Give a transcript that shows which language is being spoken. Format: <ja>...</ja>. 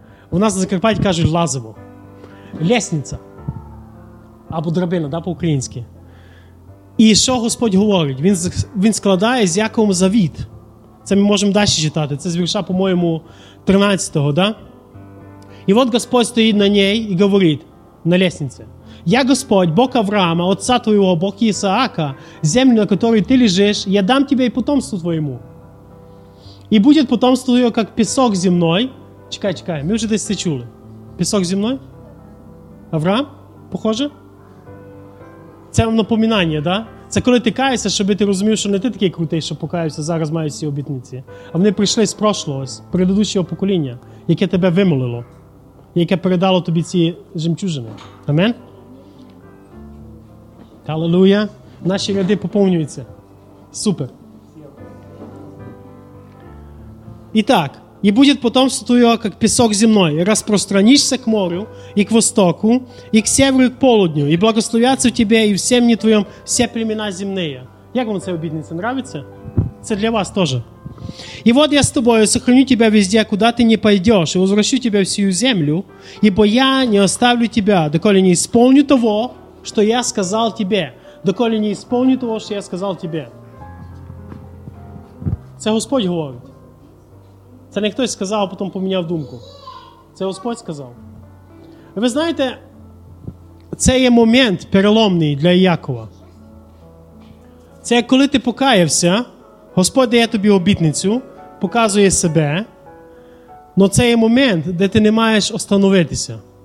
<uk>У нас на Закарпатті кажуть лазово. Лісниця. Або драбина, да, по-українськи. І що Господь говорить? Він складає з Яковом завіт. Це ми можемо далі читати. Це з вірша, по-моєму, 13-го, да? І от Господь стоїть на ній і говорить на лісниці.</uk> <ru>Я Господь, Бог Авраама, отца твоего, Бог Ісаака, землю, на которой ты лежишь, я дам тебе и потомству твоему. И будет потомство твое, как песок земной.</ru> <uk>Чекай, ми вже десь це чули.</uk> <ru>Песок земной? Авраам? Похоже?</ru> <uk>Це вам напоминання, да? Це коли ти каєшся, щоб ти розумів, що не ти такий крутий, що покаєшся, зараз маєш ці обітниці. А вони прийшли з прошлого, з предыдущого покоління, яке тебе вимолило, яке передало тобі ці жемчужини. Амен? Алелуя. Наші ряди поповнюються. Супер. І так. І буде потомство твоє, як пісок земної. Розпространишся к морю, і к востоку, і к северу, і к полудню. І благословяться в тебе, і в сім'ї твоєм всі племена земної. Як вам це обітниця? Нравиться? Це для вас теж.</uk> <ru>И вот я с тобою сохраню тебя везде, куда ты не пойдешь, и возвращу тебя в сию землю, ибо я не оставлю тебя, доколе не исполню того, что я сказал тебе. Доколе не исполню того, что я сказал тебе.</ru> <uk>Це Господь говорить. Це не хтось сказав, а потом поміняв думку. Це Господь сказав. Ви знаєте, це є момент переломний для Якова. Це коли ти покаявся, Господь дає тобі обітницю, показує себе, але це є момент, де ти не маєш остановитися.</uk>